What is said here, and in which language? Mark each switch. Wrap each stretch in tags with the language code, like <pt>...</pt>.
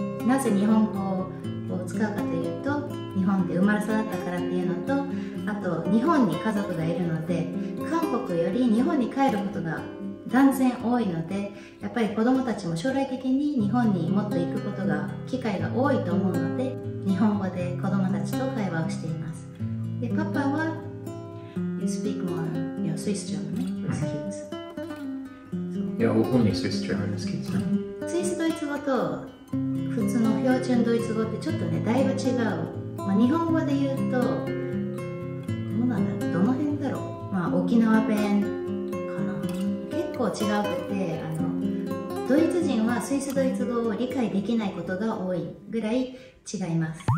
<ja>なぜ日本語を使うかというと、日本で生まれ育ったからっていうのと、あと日本に家族がいるので、韓国より日本に帰ることが断然多いので、やっぱり子供たちも将来的に日本にもっと行くことが、機会が多いと思うので、日本語で子供たちと会話をしています。</ja> <en>でパパは You speak more your Swiss German with kids. Yeah, only Swiss German with kids.</en> <ja>スイスドイツ語と普通の標準ドイツ語ってちょっとね、だいぶ違う、まあ、日本語で言うとどうなんだろう、どの辺だろう、まあ沖縄弁結構違うくて、ドイツ人はスイスドイツ語を理解できないことが多いぐらい違います。</ja>